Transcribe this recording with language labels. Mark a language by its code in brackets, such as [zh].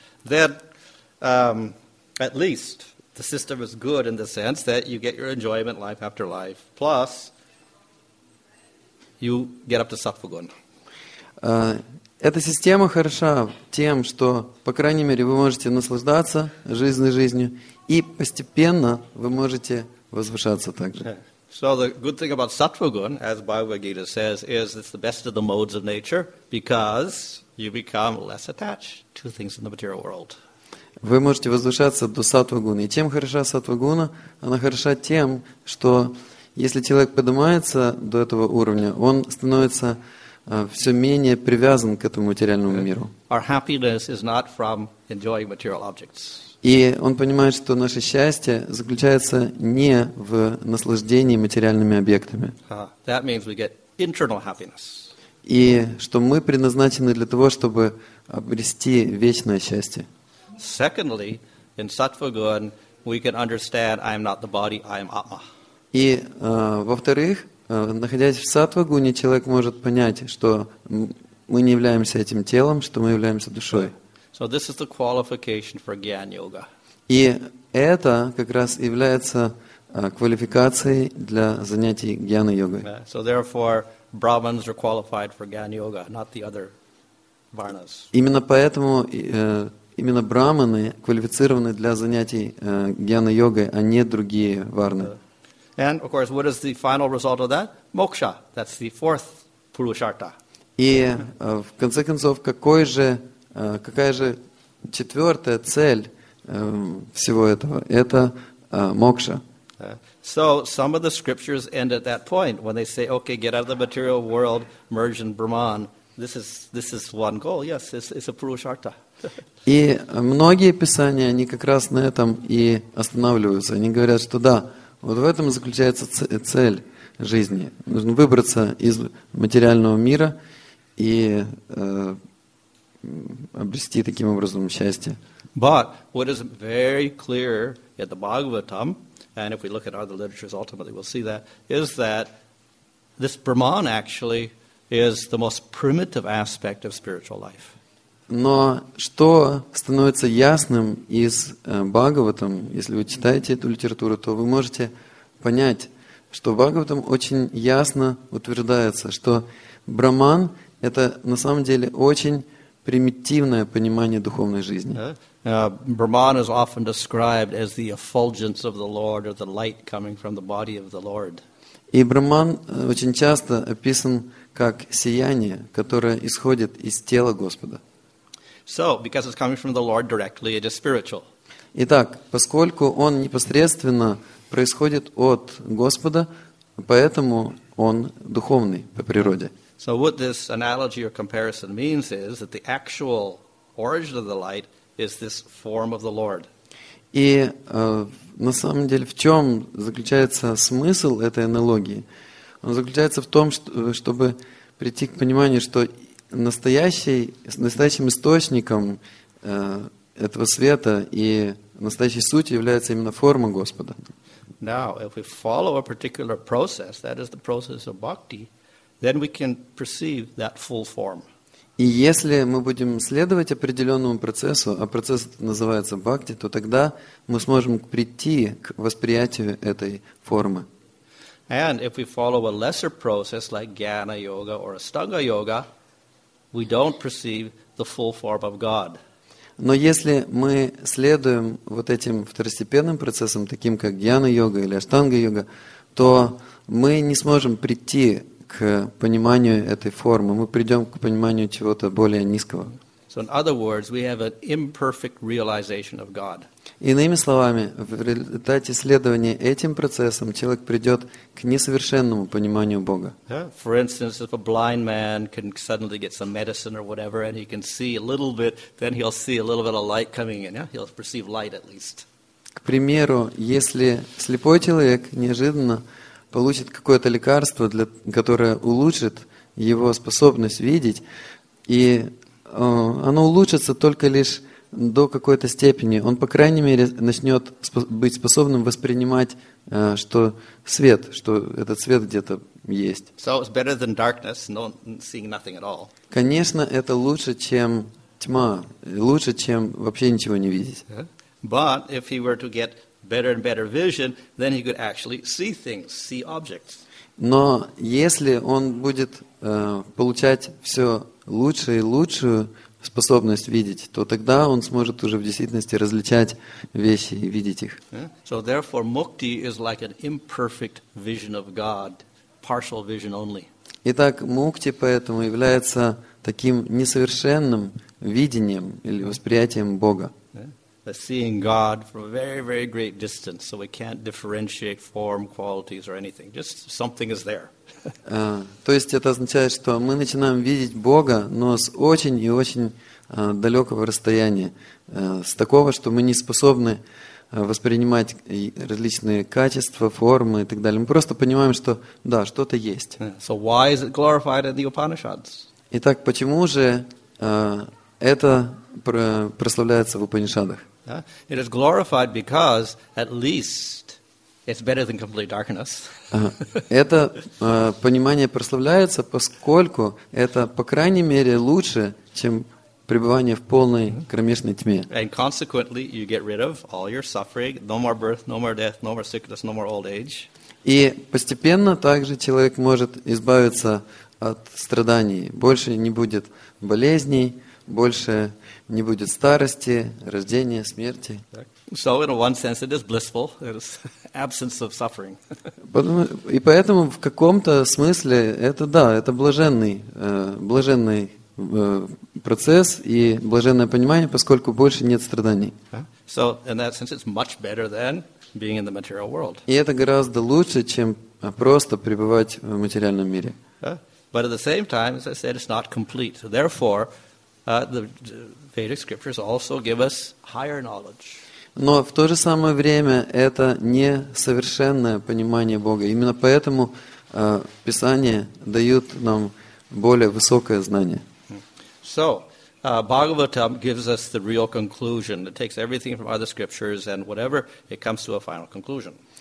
[en] Then, at least the system is good in the sense that you get your enjoyment life after life. Plus. You get up to Сатвагун. [ru] Эта система хороша тем, что, по крайней мере, вы можете наслаждаться жизнью, и постепенно вы можете возвышаться также. [en] So the good thing about Сатвагун, as Bhagavad Gita says, is it's the best of the modes of nature because you become less attached to things in the material world. [ru] Вы можете возвышаться до Сатвагуна, и чем хороша Сатвагуна? Она хороша тем, что если человек поднимается до этого уровня, он становится все менее привязан к этому материальному миру. [en] Our happiness is not from enjoying material objects. [ru] И он понимает, что наше счастье заключается не в наслаждении материальными объектами. [en] That means we get internal happiness. [ru] И что мы предназначены для того, чтобы обрести вечное счастье. [en] Secondly, in Сатвагун we can understand I am not the body, I am Atma. [ru] И, во-вторых, находясь в Сатвагуне, человек может понять, что мы не являемся этим телом, что мы являемся душой. [en] So this is the qualification for Gyan Yoga. [ru] И это как раз является квалификацией для занятий Гьяна Йогой. [en] So therefore, Brahmins are qualified for Gyan Yoga, not the other Varnas. [ru] Именно поэтому именно Брахманы квалифицированы для занятий Гьяна Йогой, а не другие Варны. [en] And of course, what is the final result of that? Moksha. That's the fourth purusharta. [ru] И в конце концов, какая же четвертая цель всего этого? Это мокша. [en] So some of the scriptures end at that point when they say, "Okay, get out of the material world, merge in Brahman." This is one goal. Yes, it's a purusharta. [ru] И многие писания они как раз на этом и останавливаются. Они говорят, что да. Вот в этом и заключается цель жизни. Нужно выбраться из материального мира и обрести таким образом счастье. [en] But what is very clear in the Bhagavatam and if we look at other literatures, ultimately we'll see that, is that this Brahman actually is the most primitive aspect of spiritual life. [ru] Но что становится ясным из Бхагаватам, если вы читаете эту литературу, то вы можете понять, что Бхагаватам очень ясно утверждается, что Брахман – это на самом деле очень примитивное понимание духовной жизни. [en] Brahman is often described as the effulgence of the Lord or the light coming from the body of the Lord. [ru] И Брахман очень часто описан как сияние, которое исходит из тела Господа. [en] So, because it's coming from the Lord directly, it is spiritual. [ru] Итак, поскольку он непосредственно происходит от Господа, поэтому он духовный по природе. [en] So what this analogy or comparison means is that the actual origin of the light is this form of the Lord. [ru] И на самом деле в чем заключается смысл этой аналогии? Он заключается в том, чтобы прийти к пониманию, что настоящим источником этого света и настоящей сутью является именно форма Господа. [en] Now, if we follow a particular process, that is the process of bhakti, then we can perceive that full form. [ru] И если мы будем следовать определенному процессу, а процесс называется бхакти, то тогда мы сможем прийти к восприятию этой формы. [en] And if we follow a lesser process like jnana yoga or astanga yoga, we don't perceive the full form of God. [ru] Но если мы следуем вот этим второстепенным процессам, таким как гьяна-йога или аштанга-йога, то мы не сможем прийти к пониманию этой формы. Мы придем к пониманию чего-то более низкого. [en] So in other words, we have an imperfect realization of God. [ru] Иными словами, в результате следования этим процессам человек придет к несовершенному пониманию Бога. [en] Yeah. For instance, if a blind man can suddenly get some medicine or whatever and he can see a little bit, then he'll see a little bit of light coming in. Yeah? He'll perceive light at least. [ru] К примеру, если слепой человек неожиданно получит какое-то лекарство, которое улучшит его способность видеть, и оно улучшится только лишь до какой-то степени, он, по крайней мере, начнет быть способным воспринимать, что этот свет где-то есть. [en] So it's better than darkness, seeing nothing at all. [ru] Конечно, это лучше, чем тьма, лучше, чем вообще ничего не видеть. [en] But if he were to get better and better vision, then he could actually see things, see objects. [ru] Но если он будет получать все лучше и лучшую способность видеть, то тогда он сможет уже в действительности различать вещи и видеть их. [en] So therefore, mukti is like an imperfect vision of God, partial vision only. [ru] Итак, мукти поэтому является таким несовершенным видением или восприятием Бога. [en] Seeing God from a very, very great distance, so we can't differentiate form, qualities, or anything. Just something is there. [ru] То есть это означает, что мы начинаем видеть Бога, но с очень и очень далекого расстояния, с такого, что мы не способны воспринимать различные качества, формы и так далее. Мы просто понимаем, что да, что-то есть. [en] So why is it glorified in the Upanishads? [ru] Итак, почему же это прославляется в Упанишадах? [en] It is glorified because at least it's better than complete darkness. [ru] Это понимание прославляется, поскольку это, по крайней мере, лучше, чем пребывание в полной кромешной тьме. [en] And consequently, you get rid of all your suffering, no more birth, no more death, no more sickness, no more old age. [ru] И постепенно также человек может избавиться от страданий. Больше не будет болезней, больше не будет старости, рождения, смерти. [en] So in one sense it is blissful, it is absence of suffering. [ru] И поэтому в каком-то смысле это да, это блаженный процесс и блаженное понимание, поскольку больше нет страданий. [en] So in that sense it's much better than being in the material world. [ru] И это гораздо лучше, чем просто пребывать в материальном мире. [en] But at the same time, as I said, it's not complete. So therefore, the Vedic scriptures also give us higher knowledge. [ru] Но в то же самое время это несовершенное понимание Бога. Именно поэтому Писание дает нам более высокое знание. [en] So, Bhagavatam gives us the real conclusion. It takes everything from other scriptures and whatever, it comes to a final conclusion.